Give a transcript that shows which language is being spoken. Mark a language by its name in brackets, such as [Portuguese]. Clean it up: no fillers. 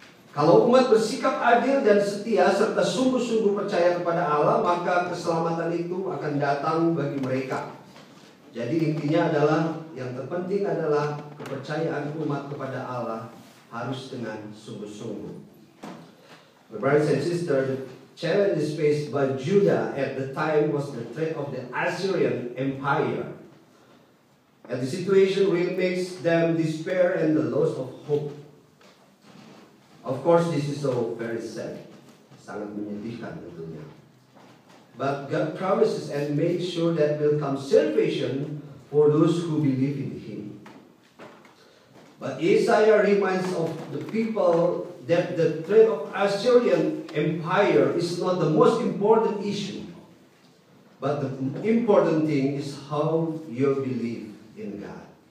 [Indonesian] Kalau umat bersikap adil dan setia serta sungguh-sungguh percaya kepada Allah, maka keselamatan itu akan datang bagi mereka. Jadi intinya adalah yang terpenting adalah kepercayaan umat kepada Allah harus dengan sungguh-sungguh. [English] My brothers and sisters, challenge faced by Judah at the time was the threat of the Assyrian Empire. And the situation really makes them despair and the loss of hope. Of course, this is so very sad. [Indonesian] Sangat menyedihkan tentunya. [English] But God promises and makes sure that will come salvation for those who believe in Him. But Isaiah reminds of the people that the threat of Assyrian Empire is not the most important issue, but the important thing is how you believe in God.